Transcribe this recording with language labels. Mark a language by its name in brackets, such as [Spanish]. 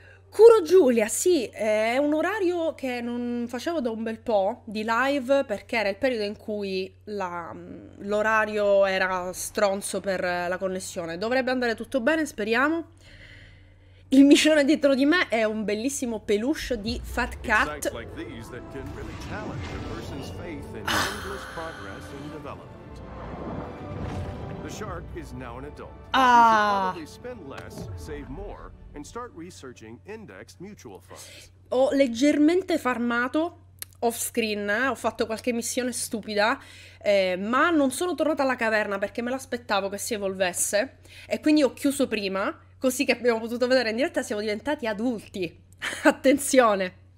[Italian] Curo Giulia, sì, è un orario che non facevo da un bel po' di live perché era il periodo in cui l'orario era stronzo per la connessione. Dovrebbe andare tutto bene, speriamo. Il micione dietro di me è un bellissimo peluche di Fat Cat. [English] Sites like these that can really challenge a person's faith in endless progress and development. The shark is now an adult. You should probably spend less, save more, and start researching indexed mutual funds. [Italian] Ho leggermente farmato off screen, ho fatto qualche missione stupida, ma non sono tornata alla caverna perché me l'aspettavo che si evolvesse e quindi ho chiuso prima, così che abbiamo potuto vedere in diretta, siamo diventati adulti. Attenzione!